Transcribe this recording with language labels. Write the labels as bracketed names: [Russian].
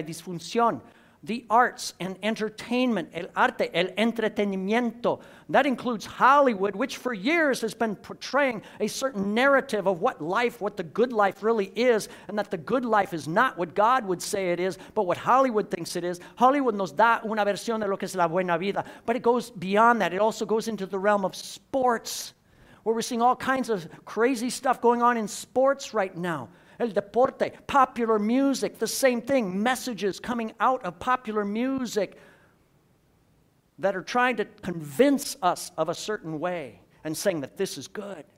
[Spanish] Hay disfunción. [English] The arts and entertainment, [Spanish] el arte, el entretenimiento. [English] That includes Hollywood, which for years has been portraying a certain narrative of what life, what the good life really is, and that the good life is not what God would say it is, but what Hollywood thinks it is. [Spanish] Hollywood nos da una versión de lo que es la buena vida, [English] but it goes beyond that. It also goes into the realm of sports, where we're seeing all kinds of crazy stuff going on in sports right now. [Spanish] El deporte, [English] popular music, the same thing, messages coming out of popular music that are trying to convince us of a certain way and saying that this is good,